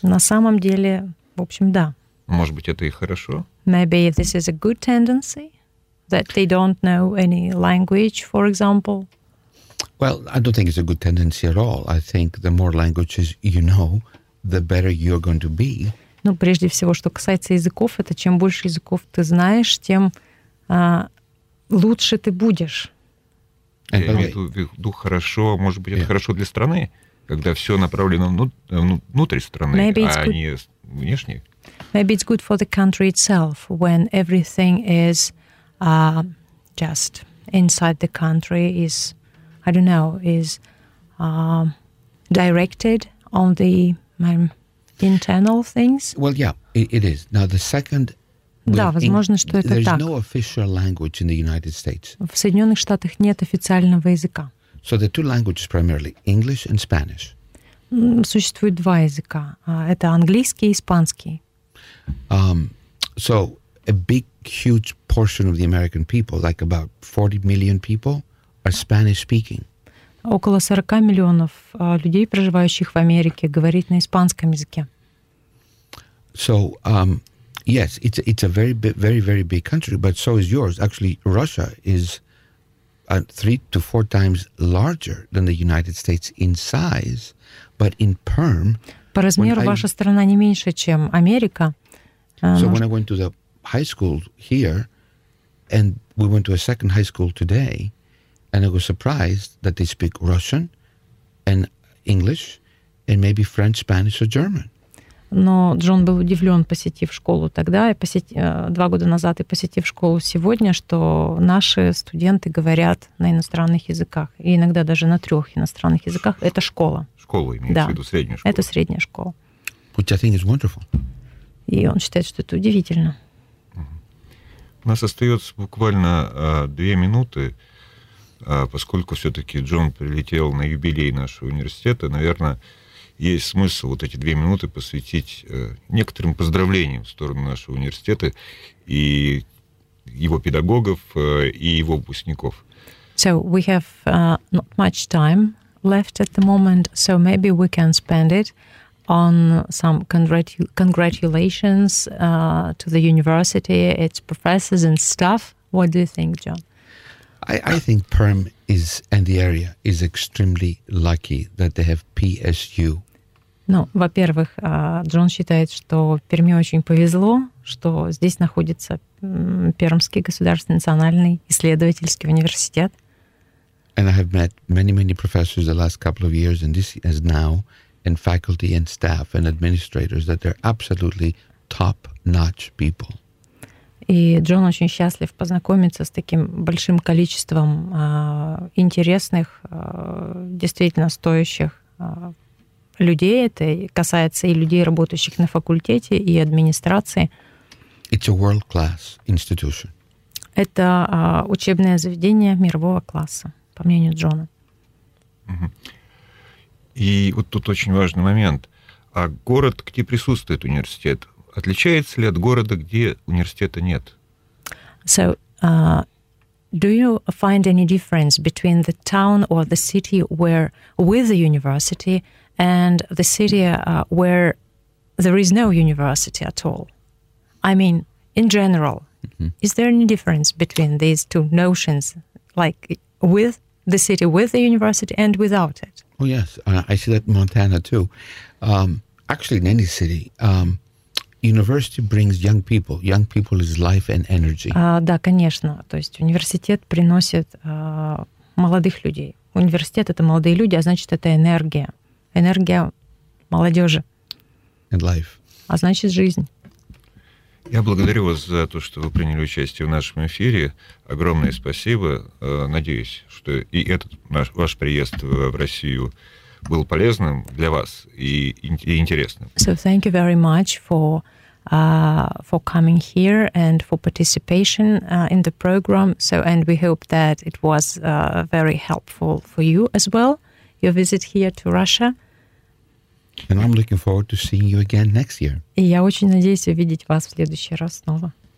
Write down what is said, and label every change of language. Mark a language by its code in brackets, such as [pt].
[ru] На самом деле, в общем, да. Может быть, это и хорошо. [en] Maybe this is a good tendency, that they don't know any language, for example. Well, I don't think it's a good tendency at all. I think the more languages you know, the better you're going to be. [ru] Ну, прежде всего, что касается языков, это чем больше языков ты знаешь, тем лучше ты будешь. Я имею в виду хорошо, может быть, это хорошо для страны, когда все направлено внутрь страны, [en] maybe [ru] а не внешне. [en] Maybe it's good for the country itself when everything is just inside the country is, I don't know, is directed on the internal things. Well, yeah, it is. Now, the second... [ru] Да, возможно, что это [en] There's [ru] так. [en] No official language in the United States. [ru] В Соединенных Штатах нет официального языка. [en] So the two languages primarily, English and Spanish. [ru] Существует два языка. Это английский и испанский. [en] So a big, huge portion of the American people, like about 40 million people, are Spanish-speaking. [ru] Около 40 миллионов людей, проживающих в Америке, говорит на испанском языке. [en] So, yes, it's a very, very, very big country, but so is yours. Actually, Russia is 3 to 4 times larger than the United States in size, but in perm... [ru] По размеру ваша страна не меньше, чем Америка. [en] So when I went to the high school here, and we went to a second high school today, and I was surprised that they speak Russian and English and maybe French, Spanish or German. [ru] Но Джон был удивлен, посетив школу тогда, и два года назад, и посетив школу сегодня, что наши студенты говорят на иностранных языках, и иногда даже на трех иностранных языках. Это школа. Школа имеется да. в виду, средняя школа. Это средняя школа. [en] Which I think is wonderful. [ru] И он считает, что это удивительно. У нас остается буквально две минуты, поскольку все-таки Джон прилетел на юбилей нашего университета, наверное... Есть смысл вот эти две минуты посвятить некоторым поздравлениям в сторону нашего университета и его педагогов и его выпускников. [en] So we have not much time left at the moment, so maybe we can spend it on some congratulations to the university, its professors and staff. What do you think, John? I think Perm is and the area is extremely lucky that they have PSU. [ru] Ну, во-первых, Джон считает, что Перми очень повезло, что здесь находится Пермский государственный национальный исследовательский университет. [en] And I have met many, many professors the last couple of years, and this is now, and faculty, and staff, and administrators, that they're absolutely top-notch people. [ru] И Джон очень счастлив познакомиться с таким большим количеством интересных, действительно стоящих людей, это касается и людей, работающих на факультете, и администрации. [en] It's a world-class institution. [ru] Это учебное заведение мирового класса, по мнению Джона. И вот тут очень важный момент. А город, где присутствует университет, отличается ли от города, где университета нет? [en] So, do you find any difference between the town or the city where with the university and the city where there is no university at all? I mean, in general, mm-hmm. is there any difference between these two notions, like with the city, with the university, and without it? Oh, yes. I see that in Montana, too. Actually, in any city, university brings young people. Young people is life and energy. [ru] Да, конечно. То есть университет приносит молодых людей. Университет — это молодые люди, а значит, это энергия. Энергия молодежи. [en] And life. [ru] А значит, жизнь. Я благодарю вас за то, что вы приняли участие в нашем эфире. Огромное спасибо. Надеюсь, что и этот ваш приезд в Россию был полезным для вас и интересным. [en] So thank you very much for coming here and for participation in the program. So, and we hope that it was very helpful for you as well, your visit here to Russia. And I'm looking forward to seeing you again next year. [ru] И я очень надеюсь увидеть вас в следующий раз снова.